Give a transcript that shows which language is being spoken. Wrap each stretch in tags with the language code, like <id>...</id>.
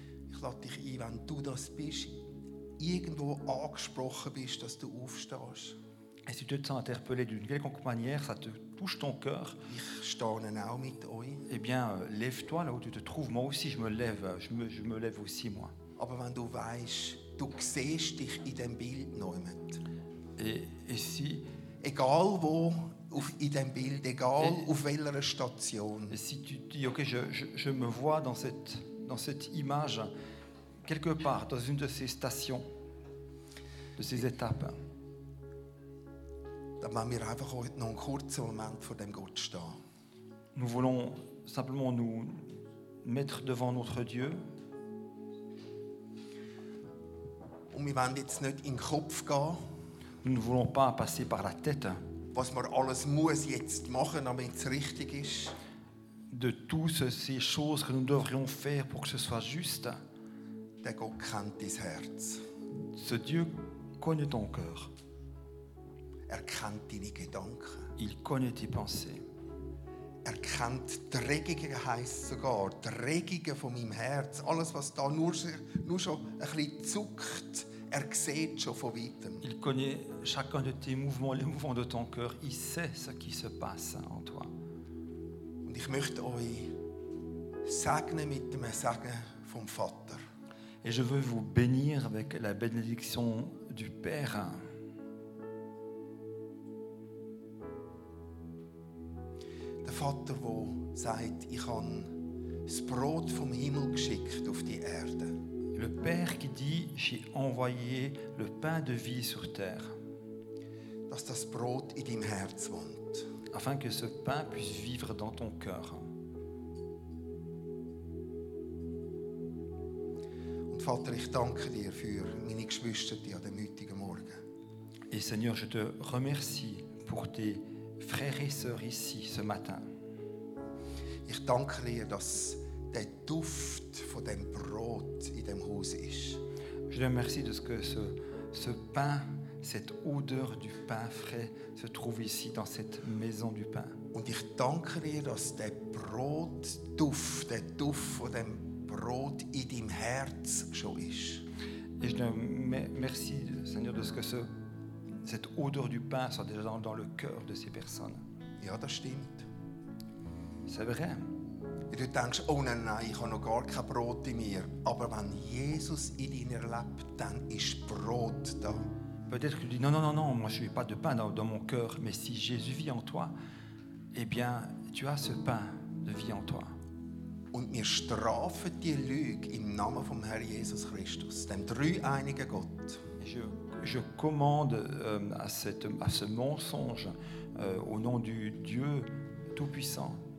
<de>Ich lade dich ein, wenn du das bist, irgendwo angesprochen bist, dass du aufstehst.</de> <fr>Et si tu te sens interpellé d'une quelconque manière, ça te touche ton cœur.</fr> <de>Ich stehe auch mit euch.</de> <fr>Eh bien, lève-toi là où tu te trouves. Moi aussi, je me lève. Je me lève aussi, moi.</fr> <de>Aber wenn du weißt, du siehst dich in dem Bild niemand.</de> <fr>Et si,</fr> <de>egal wo, in dem Bild, egal auf welcher Station.</de> <fr>Et si tu dis, ok, je me vois dans cette image quelque part, dans une de ces stations, de ces étapes.</fr> <de>Dann wollen wir einfach heute noch einen kurzen Moment vor dem Gott stehen.</de> <fr>Nous voulons simplement nous mettre devant notre Dieu.</fr> <de>Und wir wollen jetzt nicht in den Kopf gehen.</de> <fr>Nous ne voulons pas passer par la tête.</fr> <de>Was man alles muss jetzt machen, damit es richtig ist.</de> <fr>De toutes ces choses que nous devrions faire pour que ce soit juste.</fr> <de>Der Gott kennt dein Herz.</de> <fr>Ce Dieu connaît ton cœur.</fr> <de>Er kennt deine Gedanken.</de> <fr>Il connaît tes pensées.</fr> <de>Er kennt die Regungen, heisst sogar, die Regungen von meinem Herz. Alles, was da nur schon ein bisschen zuckt, er sieht schon von weitem.</de> <fr>Il connaît chacun de tes mouvements, les mouvements de ton cœur. Il sait ce qui se passe en toi.</fr> <de>Und ich möchte euch segnen mit dem Segen vom Vater.</de> <fr>Et je veux vous bénir avec la bénédiction du Père.</fr> <de>Vater, der sagt, ich habe das Brot vom Himmel geschickt auf die Erde.</de> <fr>Le Père qui dit, j'ai envoyé le pain de vie sur terre.</fr> <de>Dass das Brot in deinem Herz wohnt.</de> <fr>Afin que ce pain puisse vivre dans ton cœur.</fr> <de>Und Vater, ich danke dir für meine Geschwister, die an dem heutigen Morgen.</de> <fr>Et Seigneur, je te remercie pour tes frères et sœurs ici ce matin.</fr> <de>Ich danke dir, dass der Duft von dem Brot in dem Haus ist.</de> <fr>Je te remercie de ce que ce pain, cette odeur du pain frais se trouve ici dans cette maison du pain.</fr> <de>Und ich danke dir, dass der Brot Duft, der Duft von dem Brot in deinem Herz schon ist.</de> <fr>Et je te remercie, Seigneur, de ce que cette odeur du pain soit déjà dans le cœur de ces personnes.</fr> <de>Ja, das stimmt.</de> <fr>C'est vrai.</fr> <de>Et du denkst, oh nein, ich habe noch gar kein Brot in mir. Aber wenn Jesus in deiner lebt, dann ist Brot da.</de> <fr>Peut-être que tu dis, non, moi je n'ai pas de pain dans mon cœur, mais si Jésus vit en toi, eh bien, tu as ce pain de vie en toi.</fr> <de>Und wir strafen die Lüge im Namen vom Herr Jesus Christus, dem dreieinigen Gott.</de> <fr>Je commande à ce mensonge au nom du Dieu Tout-Puissant.</fr>